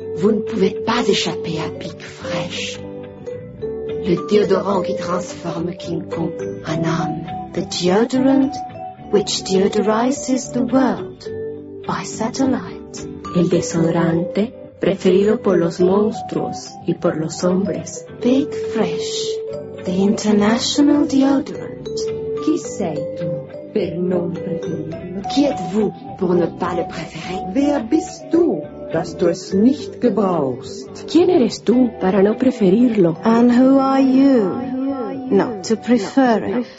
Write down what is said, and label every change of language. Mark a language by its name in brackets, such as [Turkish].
[French] Vous ne pouvez pas échapper à Big Fresh, le déodorant qui transforme King Kong en homme. [English] The deodorant which deodorizes the world by satellite. [Spanish] El desodorante preferido por los monstruos y por los hombres. [English] Big Fresh, the international deodorant. [Italian] Qui sei tu per non preferirlo? [French] Qui êtes-vous pour ne pas le préférer? [German] Wer bist du, dass du es nicht gebrauchst? [Spanish] ¿Quién eres tú para no preferirlo? [English] And who are you, not to prefer, no, it.